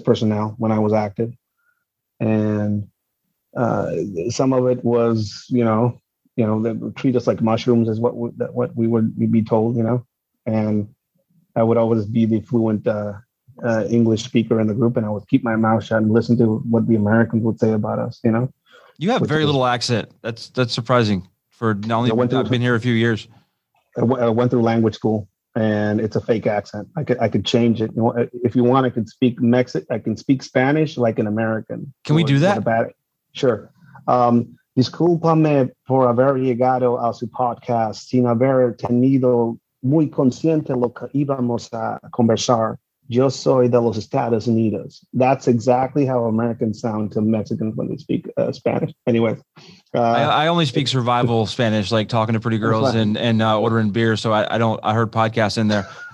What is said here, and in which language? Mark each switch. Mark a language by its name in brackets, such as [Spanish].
[English] personnel when I was active, and some of it was, they would treat us like mushrooms is what we would be told, and I would always be the fluent English speaker in the group, and I would keep my mouth shut and listen to what the Americans would say about us, You have very little accent. That's surprising for not only I've been here a few years. I went through language school. And it's a fake accent. I could change it. If you want, I could speak I can speak Spanish like an American. Can we do that? Sure. [Spanish] Disculpame por haber llegado a su podcast sin haber tenido muy consciente lo que íbamos a conversar. Yo soy de los Estados Unidos. [English] That's exactly how Americans sound to Mexicans when they speak Spanish. Anyway. I only speak survival Spanish, like talking to pretty girls and ordering beer. So I heard podcasts in there.